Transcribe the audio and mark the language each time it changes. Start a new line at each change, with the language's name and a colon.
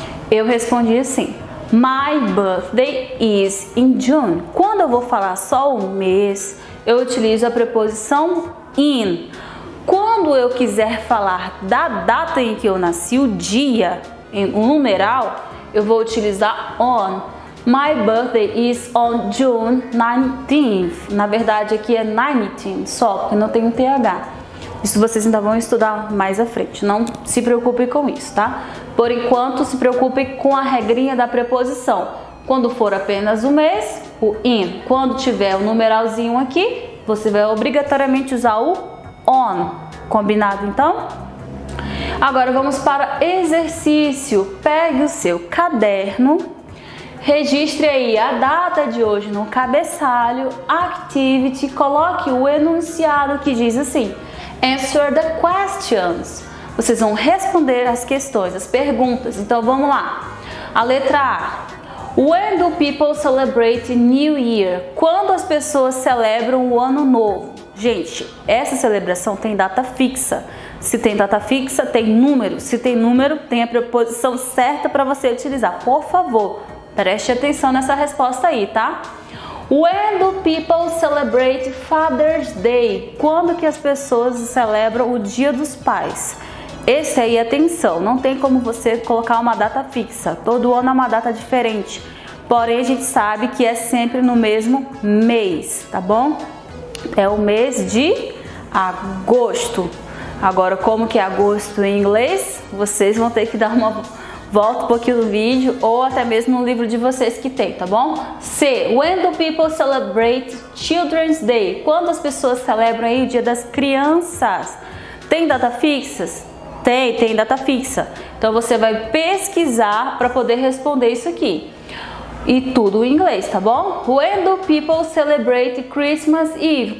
Portuguese: Eu respondi assim.
English: My birthday is in June.
Portuguese: Quando eu vou falar só o mês, eu utilizo a preposição in. Quando eu quiser falar da data em que eu nasci, o dia, em um numeral, eu vou utilizar on.
English: My birthday is on June 19th.
Portuguese: Na verdade, aqui é 19th só, porque não tem um TH. Isso vocês ainda vão estudar mais à frente. Não se preocupe com isso, tá? Por enquanto, se preocupe com a regrinha da preposição. Quando for apenas um mês, o in. Quando tiver o numeralzinho aqui, você vai obrigatoriamente usar o on. Combinado, então? Agora vamos para exercício. Pegue o seu caderno. Registre aí a data de hoje no cabeçalho. Activity. Coloque o enunciado que diz assim.
English: Answer the questions.
Portuguese: Vocês vão responder as questões, as perguntas. Então, vamos lá. A letra A.
English: When do people celebrate New Year?
Portuguese: Quando as pessoas celebram o ano novo? Gente, essa celebração tem data fixa. Se tem data fixa, tem número. Se tem número, tem a preposição certa para você utilizar. Por favor, preste atenção nessa resposta aí, tá?
English: When do people celebrate Father's Day?
Portuguese: Quando que as pessoas celebram o Dia dos Pais? Esse aí, atenção, não tem como você colocar uma data fixa. Todo ano é uma data diferente. Porém, a gente sabe que é sempre no mesmo mês, tá bom? É o mês de agosto. Agora, como que é agosto em inglês? Vocês vão ter que dar uma volta um pouquinho no vídeo ou até mesmo no livro de vocês que tem, tá bom? C.
English: When do people celebrate Children's Day?
Portuguese: Quando as pessoas celebram aí o Dia das Crianças? Tem data fixa? Tem data fixa. Então você vai pesquisar para poder responder isso aqui. E tudo em inglês, tá bom?
English: When do people celebrate Christmas Eve?